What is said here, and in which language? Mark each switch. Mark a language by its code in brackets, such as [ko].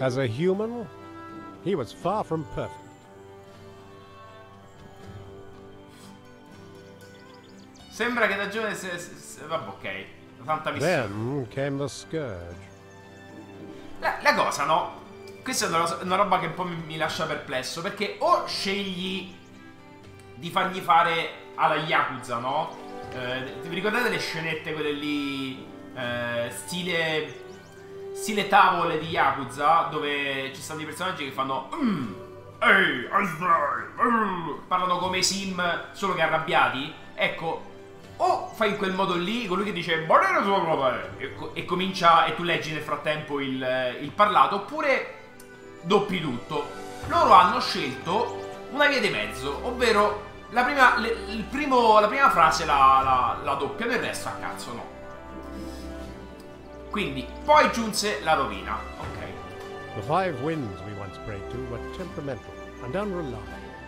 [en] As a human, he was far from perfect. [it] Sembra che da giovane vabbè, ok. Tanta missione. [en] Then came the scourge. [it] La cosa, no? Questa è una roba che un po' mi lascia perplesso, perché o scegli di fargli fare alla Yakuza, no? Vi ricordate le scenette quelle lì... stile tavole di Yakuza, dove ci stanno dei personaggi che fanno ehi, asdai, parlano come Sim, solo che arrabbiati. Ecco, o fai in quel modo lì, colui che dice buonasera sua madre e comincia, e tu leggi nel frattempo il parlato, oppure doppi tutto. Loro hanno scelto una via di mezzo, ovvero la prima frase la doppiano e il resto a cazzo no. Quindi, poi giunse la rovina. Ok. [en] The five winds we once prayed to were temperamental and unreliable.